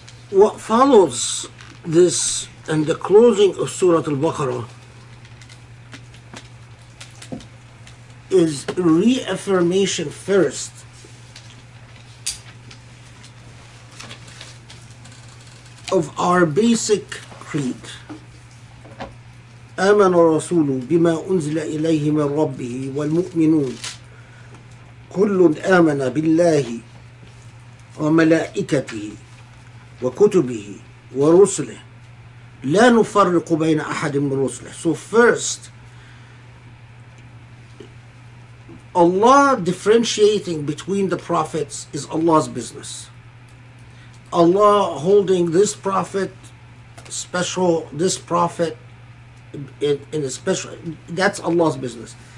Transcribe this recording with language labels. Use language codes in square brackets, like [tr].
[en] What follows this and the closing of Surah Al-Baqarah is reaffirmation first of our basic creed. [ar] آمن الرسول بما أنزل إليه من ربه والمؤمنون كل آمن بالله وملائكته وكتبه ورسله لا نفرق بين أحد من رسله. [en] So first, Allah differentiating between the prophets is Allah's business. Allah holding this prophet special, this prophet in a special, that's Allah's business.